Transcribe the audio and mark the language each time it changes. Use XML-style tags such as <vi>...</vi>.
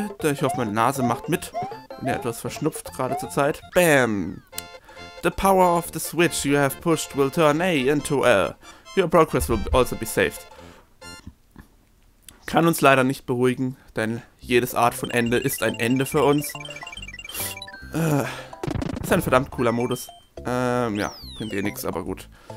<de>Ich hoffe, meine Nase macht mit. Bin ja etwas verschnupft gerade zur Zeit. Bam.</de> <en>The power of the switch you have pushed will turn A into L. Your progress will also be saved.</en> <de>Kann uns leider nicht beruhigen, denn jedes Art von Ende ist ein Ende für uns. Ist ein verdammt cooler Modus. Ja, bringt eh nichts, aber gut.</de>